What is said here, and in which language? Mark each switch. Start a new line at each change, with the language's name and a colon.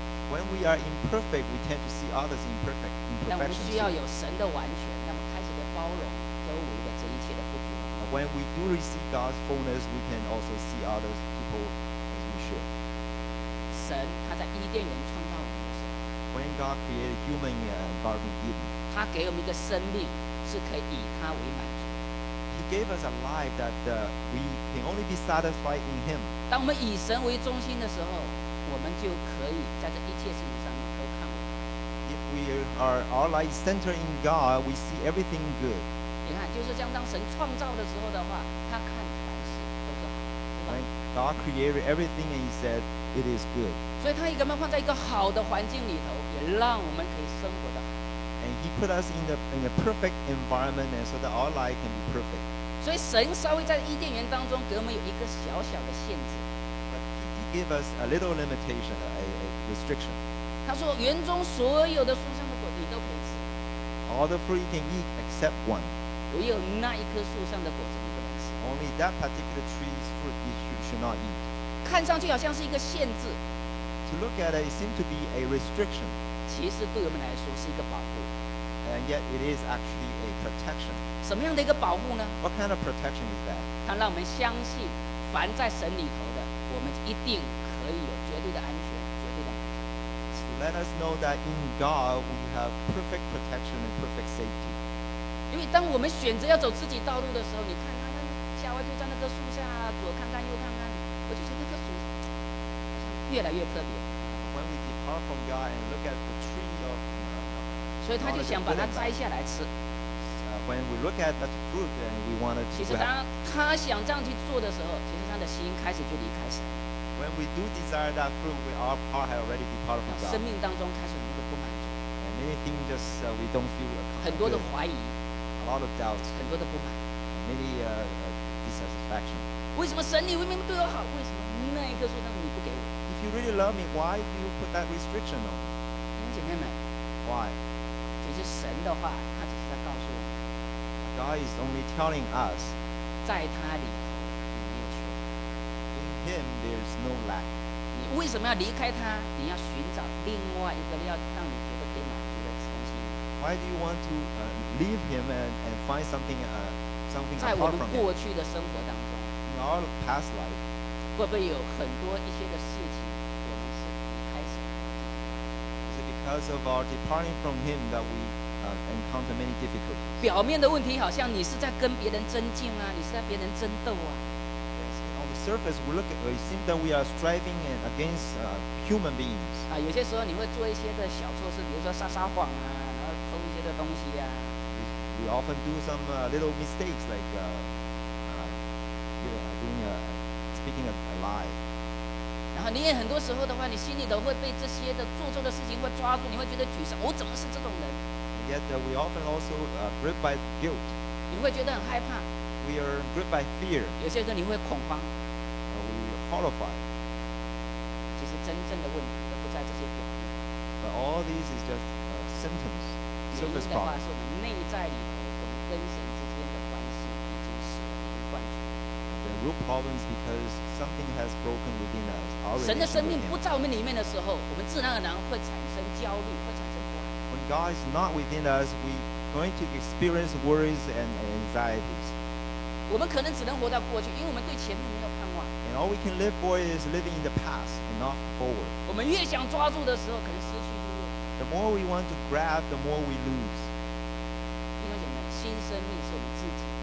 English: When we are imperfect, we tend to see others imperfect.
Chinese: 但我们需要有神的完全，那么开始的包容周围的这一切的不足。
English: When we do receive God's fullness, we can also see others people as we should.
Chinese: 神他在伊甸园创造我们的时候
English: ，When God created human in Garden Eden,
Chinese: 他给我们一个生命是可以以他为满足。
English: He gave us a life that we can only be satisfied in Him.
Chinese: 当我们以神为中心的时候。我们就可以在这一切事情上能够看到。
English: If we are our life centered in God, we see everything good.
Chinese: 你看，就是这样，当神创造的时候的话，他看凡事都是好，对吧
English: ？When God created everything and He said it is good.
Chinese: 所以他给我们放在一个好的环境里头，也让我们可以生活的。
English: And He put us in a perfect environment, and so that our life can be perfect.
Chinese: 所以神稍微在伊甸园当中给我们有一个小小的限制。
English: Give us a little limitation, a restriction.
Chinese: 他说，园中所有的树上的果你都可以吃。
English: All the fruit you can eat except one.
Chinese: 唯有那一棵树上的果子你不能吃。
English: Only that particular tree's fruit you should not eat.
Chinese: 看上去好像是一个限制。
English: To look at it, it seems to be a restriction.
Chinese: 其实对我们来说是一个保护。
English: And yet it is actually a protection.
Chinese: 什么样的一个保护呢？
English: What kind of protection is that?
Chinese: 它让我们相信，凡在神里头。我们一定可以有绝对的安全，绝对的。
English: Let us know that in God we have perfect protection and perfect safety.
Chinese: 因为当我们选择要走自己道路的时候，你看他那夏娃就在那棵树下，左看看右看看，我就觉得那棵树越来越特别。
English: When we depart from God and look at the tree of God,
Chinese: 所以他就想把它摘下来吃。
English: When we look at that fruit and we want to
Chinese: 其实他想这样去做的时候，其实他的心开始就离开神。
English: When we do desire that fruit, our heart has already departed from God.
Chinese: 生命当中开始有一个不满足。
English: And many things just we don't feel good.
Chinese: 很多的怀疑。
English: A lot of doubts.
Chinese: 很多的不满。
English: Many dissatisfaction.
Chinese: 为什么神你明明对我好，为什么那一棵树上你不给我
English: ？If you really love me, why do you put that restriction on?
Chinese: 姐妹们。
English: Why?
Chinese: 就是神的话，他只是在告诉我。
English: God is only telling us,
Chinese: 在他里头没有缺乏。
English: In Him there is no lack.
Chinese: 你为什么要离开他？你要寻找另外一个要让你觉得被满足的东西。
English: Why do you want to leave Him and find something apart from Him?
Chinese: 在我们过去的生活当中
English: ，In our past life,
Chinese: 会不会有很多一些的事情我们是离开神？
English: Is it because of our departing from Him that we encounter many difficulties.
Chinese: 表面的问题好像你是在跟别人争竞啊，你是在别人争斗啊。
English: On the surface, we look at it seems that we are striving against human beings.
Chinese: 啊，有些时候你会做一些的小错事，比如说撒谎啊，然后偷一些的东西啊。
English: We often do some little mistakes like doing speaking a lie.
Chinese: 然然后你也很多时候的话，你心里都会被这些的做错的事情会抓住，你会觉得沮丧，我怎么是这种人？
English: And yet we often also gripped by guilt.
Chinese: 你会觉得很害怕。
English: We are gripped by fear.
Chinese: 有些时候你会恐慌。
English: We are horrified.
Chinese: 其实真正的问题都不在这些表面。
English: But all these is just symptoms, surface problems.
Chinese: 原因的话是我们内在里头，我们跟神之间的关系已经失了贯通。
English: Real problems because something has broken within us.
Chinese: 神的生命不在我们里面的时候，我们自然而然会产生焦虑，会产生不安。
English: When God is not within us, we're going to experience worries and anxieties.
Chinese: 我们可能只能活到过去，因为我们对前面没有盼望。
English: And all we can live for is living in the past and not forward.
Chinese: 我们越想抓住的时候，可能失去越多。
English: The more we want to grab, the more we lose.
Chinese: 弟兄姐妹，新生命是我们自己。